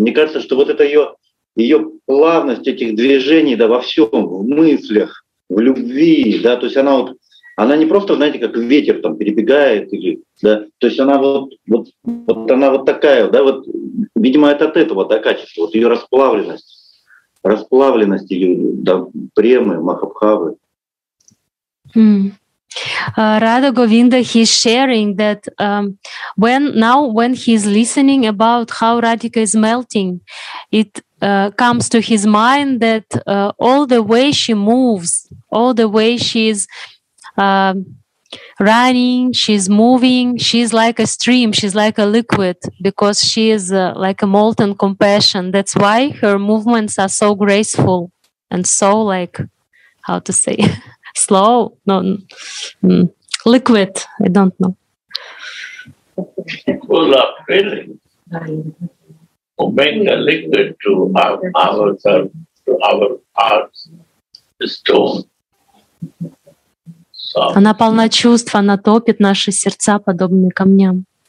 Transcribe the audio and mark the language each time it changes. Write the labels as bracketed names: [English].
[Russian] Мне кажется, что вот это ее плавность этих движений, да, во всем, в мыслях, в любви, да, то есть она вот. Она не просто, знаете, как ветер там перебегает, или, да, то есть она вот она вот такая, да, вот, видимо, это от этого, да, качество, вот ее расплавленность ее, да, премы, махабхавы. [English] Radha Govinda, he's sharing that when he's listening about how Radhika is melting, it comes to his mind that all the way she moves, all the way she's running, she's moving, she's like a stream, she's like a liquid, because she is like a molten compassion. That's why her movements are so graceful and so, like, how to say, slow, liquid, I don't know. Full of feeling. To make the liquid to our hearts, the stone. [Russian] Она полна чувств, она топит наши сердца, подобные камням.